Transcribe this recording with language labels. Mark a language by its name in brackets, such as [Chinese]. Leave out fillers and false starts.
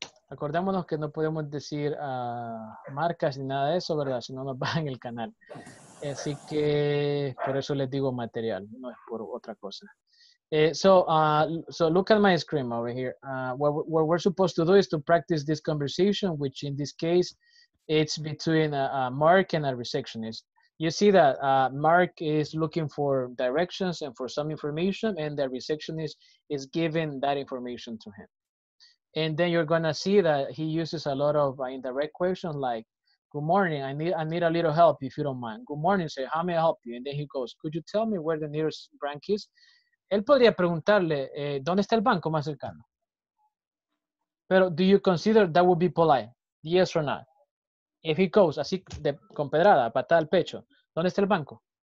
[Spanish] Acordémonos que no podemos decir marcas ni nada de eso, ¿verdad? Si no, nos bajan el canal. Así que por eso les digo material, no es por otra cosa. [English] So look at my screen over here. What we're supposed to do is to practice this conversation, which in this case, it's between a Mark and a receptionist. You see that Mark is looking for directions and for some information, and the receptionist is giving that information to him. And then you're going to see that he uses a lot of indirect questions like, good morning, I need a little help if you don't mind. Good morning, say, how may I help you? And then he goes, could you tell me where the nearest bank is? [Spanish] Él podría preguntarle, ¿dónde está el banco más cercano? [English] Pero do you consider that would be polite? Yes or not? If he goes, [Spanish] así de, con pedrada, patada al pecho, ¿dónde está el banco?